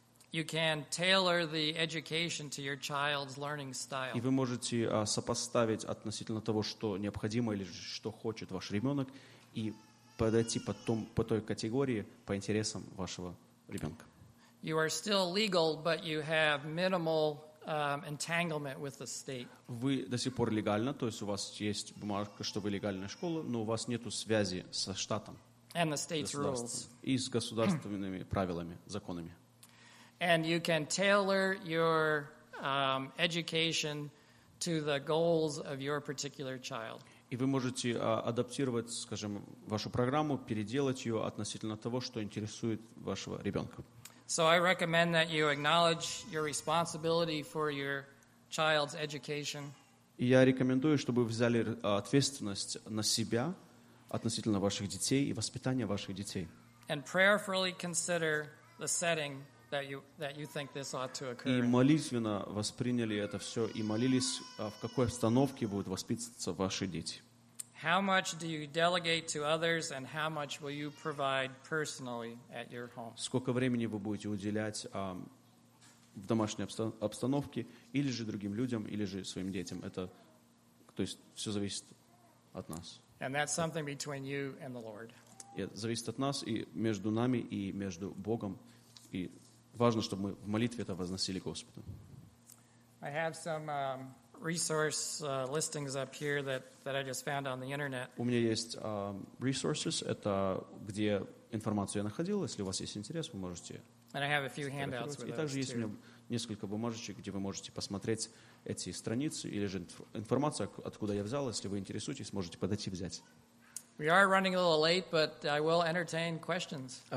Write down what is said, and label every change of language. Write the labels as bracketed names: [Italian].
[English] You can tailor the education to your child's learning style. [Russian] И вы можете сопоставить относительно того, что необходимо или что хочет ваш ребенок, и подойти потом по той категории, по интересам вашего ребенка. [English] You are still legal, but you have minimal entanglement with the state. [Russian] Вы до сих пор легально, то есть у вас есть бумажка, что вы легальная школа, но у вас нету связи со штатом. [English] And the state's rules. [Russian] И с государственными правилами, законами. [English] And you can tailor your education to the goals of your particular child. [Russian] И вы можете адаптировать, скажем, вашу программу, переделать ее относительно того, что интересует вашего ребенка. [English] So I recommend that you acknowledge your responsibility for your child's education. [Russian] Я рекомендую, чтобы вы взяли ответственность на себя относительно ваших детей и воспитания ваших детей. [English] And prayerfully consider the setting that you think this ought to occur. [Russian] И молитвенно восприняли это все и молились, в какой обстановке будут воспитываться ваши дети. [English] How much do you delegate to others and how much will you provide personally at your home? [Russian] Сколько времени вы будете уделять в домашней обстановке или же другим людям или же своим детям? Это то есть всё зависит от нас. [English] And that's something between you and the Lord. [Russian] Это зависит от нас и между нами и между Богом. И важно, чтобы мы в молитве это возносили Господу. [English] I have some resource listings up here that I just found on the internet. [Russian] У меня есть resources, это где информацию я находил. Если у вас есть интерес, вы можете. [English] And I have a few handouts with [Russian] it. И также есть у меня несколько бумажечек, где вы можете посмотреть эти страницы или же информацию, откуда я взял. Если вы интересуетесь, можете подойти взять. [English] We are running a little late, but I will entertain questions.